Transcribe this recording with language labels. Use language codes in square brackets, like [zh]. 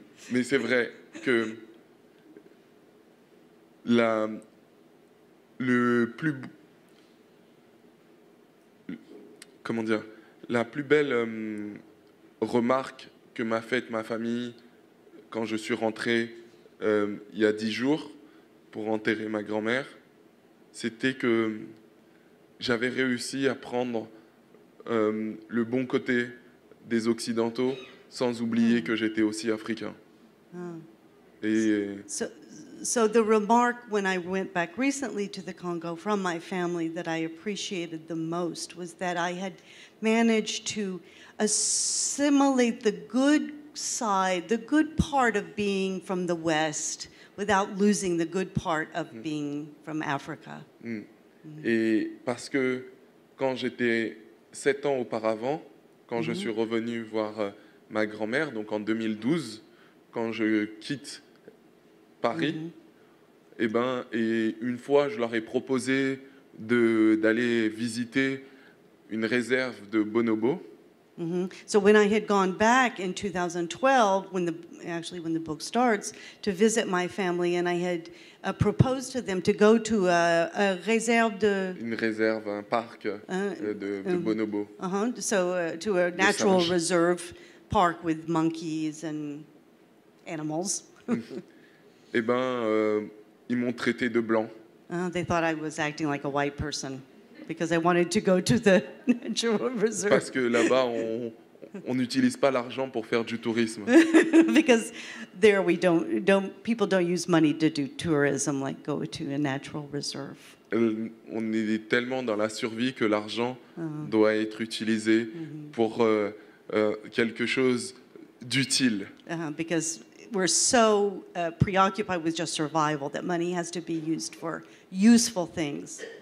[fr] mais c'est vrai que la plus belle remarque que m'a faite ma famille quand je suis rentré il y a 10 jours pour enterrer ma grand-mère, c'était que j'avais réussi à prendre le bon côté des Occidentaux sans oublier que j'étais aussi Africain. Oh. [en] Et so the remark when I went back recently to the Congo from my family that I appreciated the most was that I had managed to assimilate the good side, the good part of being from the West, without losing the good part of being from Africa. [fr] Et parce que quand j'étais 7 ans auparavant, quand je suis revenu voir ma grand-mère, donc en 2012, quand je quitte Paris, et une fois je leur ai proposé d'aller visiter une réserve de bonobos. [en] So when I had gone back in 2012, when the book starts, to visit my family, and I had proposed to them to go to a [fr] réserve de... Une réserve, un parc de bonobos. [en] To a natural reserve park with monkeys and animals. [fr] ils m'ont traité de blanc. [en] They thought I was acting like a white person. Because I wanted to go to the natural reserve. [fr] Parce que là-bas, on n'utilise pas l'argent pour faire du tourisme. [en] Because there we people don't use money to do tourism, like go to a natural reserve. [fr] On est tellement dans la survie que l'argent doit être utilisé pour quelque chose d'utile. [en] Because we're so preoccupied with just survival that money has to be used for useful things.